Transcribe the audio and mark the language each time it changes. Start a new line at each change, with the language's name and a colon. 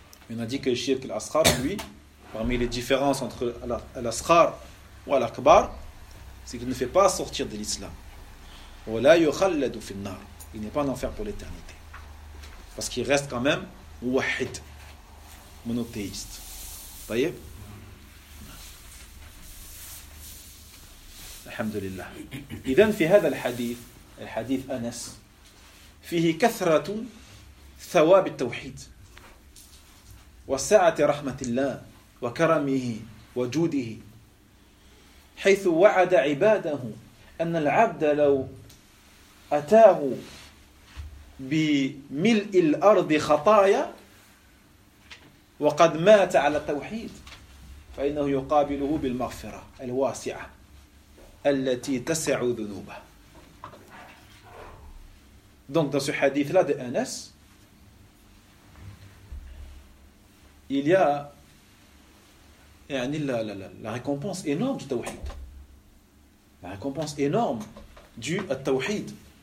French: Il a dit que le shirk al-asghar lui parmi les différences entre al-asghar ou al-akbar c'est qu'il ne fait pas sortir de l'islam il n'est pas en enfer pour l'éternité parce qu'il reste quand même wahid monothéiste. Voyez
Arabic: الحمد لله إذن في هذا الحديث الحديث أنس فيه كثرة ثواب التوحيد وسعة رحمة الله وكرمه وجوده حيث وعد عباده أن العبد لو أتاه بملء الأرض خطايا وقد مات على التوحيد فإنه يقابله بالمغفرة الواسعة التي تسع ذنوبه.
French: Donc dans ce hadith là de Anas, il y a la récompense énorme du tawhid. La récompense énorme du tawhid.